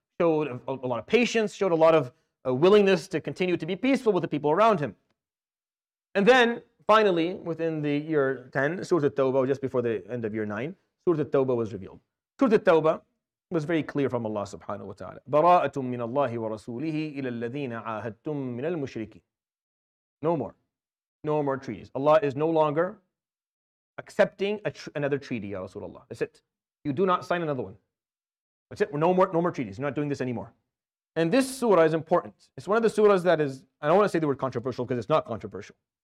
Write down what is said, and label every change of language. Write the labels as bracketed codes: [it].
[en] Showed a lot of patience. Showed a lot of a willingness to continue to be peaceful with the people around him. And then, finally, within the year 10, Surah At-Tawbah, just before the end of year 9, Surah At-Tawbah was revealed. Surah At-Tawbah was very clear from Allah subhanahu wa ta'ala. [ar] بَرَاءَةٌ مِّنَ اللَّهِ وَرَسُولِهِ إِلَى الَّذِينَ عَاهَدْتُمْ مِّنَ الْمُشْرِكِينَ [en] No more. No more treaties. Allah is no longer accepting another treaty, Ya Rasulullah. That's it. You do not sign another one. That's it. No more treaties. You're not doing this anymore. And this surah is important. It's one of the surahs that is, I don't want to say the word controversial because it's not controversial.